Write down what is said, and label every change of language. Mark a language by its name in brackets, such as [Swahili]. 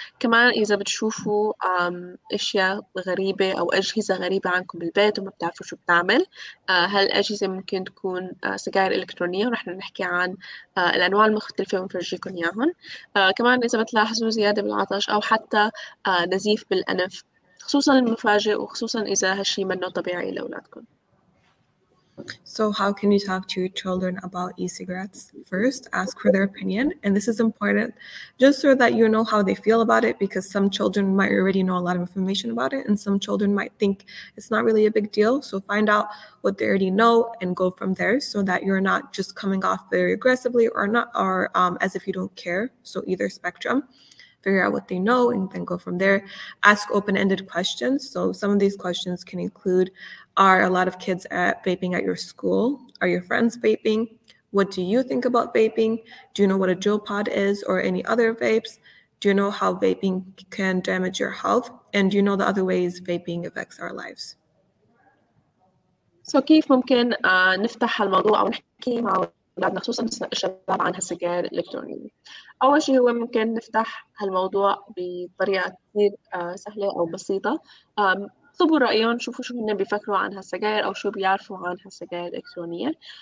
[Arabic] كمان إذا بتشوفوا أشياء غريبة أو أجهزة غريبة عنكم بالبيت وما بتعرفوا شو بتعمل، هالأجهزة ممكن تكون سجائر إلكترونية، ورح نحكي عن الأنواع المختلفة ونفرجيكم إياهم. كمان إذا بتلاحظوا زيادة بالعطش أو حتى نزيف بالأنف، خصوصاً المفاجئ وخصوصاً إذا هالشي منه طبيعي لأولادكم. [English] So how can you talk to your children about e-cigarettes? First, ask for their opinion. And this is important just so that you know how they feel about it, because some children might already know a lot of information about it and some children might think it's not really a big deal. So find out what they already know and go from there so that you're not just coming off very aggressively or as if you don't care. So either spectrum. Figure out what they know and then go from there. Ask open-ended questions. So some of these questions can include, are a lot of kids vaping at your school? Are your friends vaping? What do you think about vaping? Do you know what a Juul pod is or any other vapes? Do you know how vaping can damage your health? And do you know the other ways vaping affects our lives? [Arabic] So كيف ممكن نفتح الموضوع أو نحكي مع الشباب نخصوصا الشباب عن السجائر الإلكترونية. أول شيء هو ممكن نفتح هالموضوع بطريقة كثير سهلة أو بسيطة. طبوا رأيهم، شوفوا شو هن بيفكروا عن هالسجائر أو شو بيعرفوا عن هالسجائر الإلكترونية.